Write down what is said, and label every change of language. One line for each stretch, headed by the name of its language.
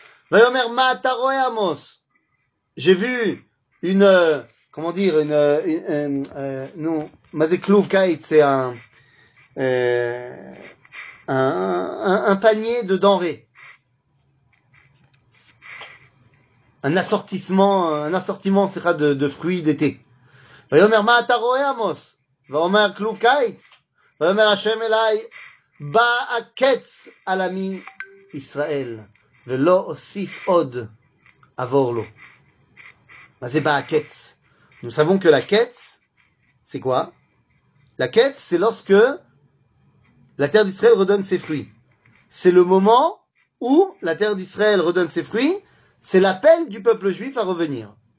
Hebrew: Vayomer ma ata roe Amos.
French: J'ai vu keluv kaitz, c'est un panier de denrées. Un assortiment sera de fruits d'été.
Hebrew: ויאמר מה אתה רואה עמוס? ואומר כלוב קיץ. ויאמר השם אליי, בא הקץ על עמי ישראל, ולא אוסיף עוד עבור לו. מה זה בא הקץ?
French: Nous savons que la קץ, c'est quoi? La קץ, c'est lorsque la terre d'Israël redonne ses fruits. C'est le moment où la terre d'Israël redonne ses fruits, c'est l'appel du peuple juif à revenir.